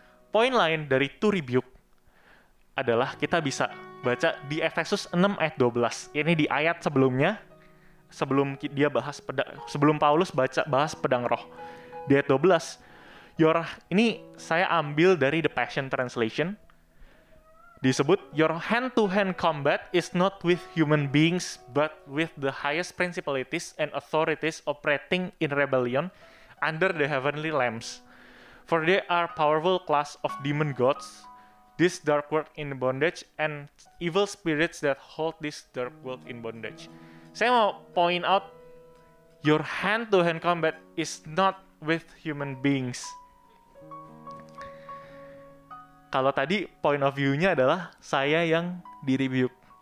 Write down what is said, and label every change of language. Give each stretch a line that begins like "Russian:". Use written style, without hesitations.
Indonesian: Poin lain dari to rebuke adalah kita bisa baca di Efesus 6 ayat 12. Ini di ayat sebelumnya. Sebelum Paulus bahas pedang roh. Di ayat 12, ini saya ambil dari The Passion Translation. Disebut,
English: your hand-to-hand combat is not with human beings, but with the highest principalities and authorities operating in rebellion under the heavenly lamps. For they are powerful class of demon gods, this dark world in bondage, and evil spirits that hold this dark world in bondage.
Indonesian: Saya mau
English: point out, your hand-to-hand combat is not with human beings.
Indonesian: Kalau tadi point of view-nya adalah saya yang di-rebuke.